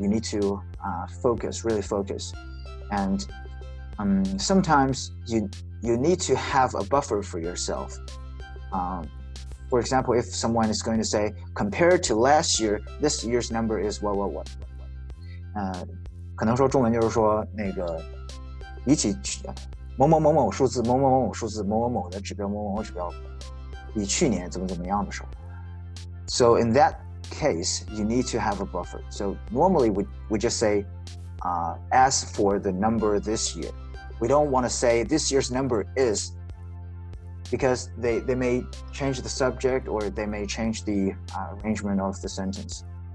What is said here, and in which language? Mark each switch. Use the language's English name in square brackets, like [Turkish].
[English] You need to focus. And sometimes you need to have a buffer for yourself. For example, if someone is going to say, compared to last year, this year's number is what. [Chinese] 可能说中文就是说那个比起某某某某数字某某某某数字某某某的指标某某某指标比去年怎么怎么样的时候。 [English] So in that case, you need to have a buffer. So normally we just say, as for the number this year. We don't want to say this year's number is, because they may change the subject or they may change the arrangement of the sentence.